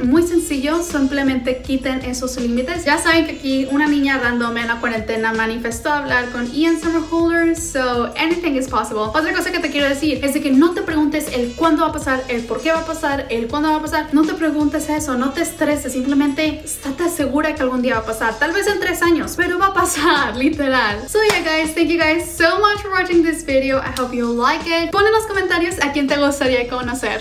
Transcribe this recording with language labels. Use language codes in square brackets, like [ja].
[es] Muy sencillo, simplemente quiten esos límites. Ya saben que aquí una niña random en la cuarentena manifestó hablar con Ian Somerhalder. [en] So, anything is possible. [es] Otra cosa que te quiero decir es de que no te preguntes el cuándo va a pasar, el por qué va a pasar, el cuándo va a pasar. No te preguntes eso, no te estreses. Simplemente estate segura que algún día va a pasar. Tal vez en 3 años, pero va a pasar, literal. [en] So, yeah, guys, thank you guys so much for watching this video. I hope you like it. [es] Pon en los comentarios a quien te gustaría conocer.